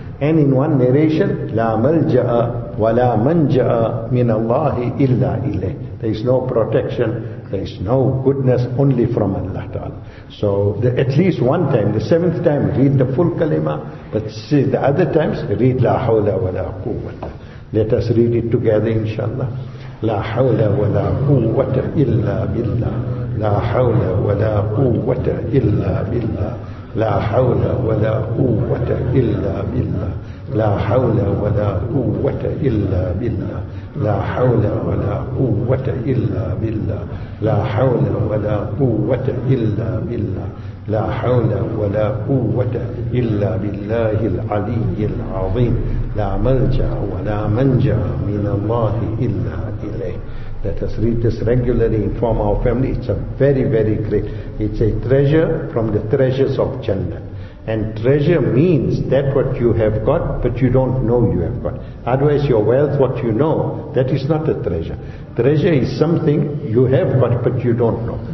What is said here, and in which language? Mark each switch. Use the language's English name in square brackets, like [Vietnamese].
[English] And in one narration, [Arabic] لَا مَلْجَأَ وَلَا مَنْجَأَ مِنَ اللَّهِ إِلَّا إِلَيْهِ. [English] There is no protection, there is no goodness only from Allah Ta'ala. So at least one time, the 7th time, read the full kalima. But see, the other times, read [Arabic] لَا حَوْلَ وَلَا قُوَّةَ. [English] Let us read it together, inshallah. [Arabic] لَا حَوْلَ وَلَا قُوَّةَ إِلَّا بِاللَّهِ. لَا حَوْلَ وَلَا قُوَّةَ إِلَّا بِاللَّهِ. لا حول ولا قوة إلا بالله. لا حول ولا قوة إلا بالله. لا حول ولا قوة إلا بالله. لا حول ولا قوة إلا بالله. لا حول ولا قوة إلا بالله العلي العظيم. لا ملجأ ولا منجأ من الله إلا إليه. [English] Let us read this regularly, inform our family. It's a very, very great. It's a treasure from the treasures of Jannah. And treasure means that what you have got, but you don't know you have got. Otherwise your wealth, what you know, that is not a treasure. Treasure is something you have got, but you don't know.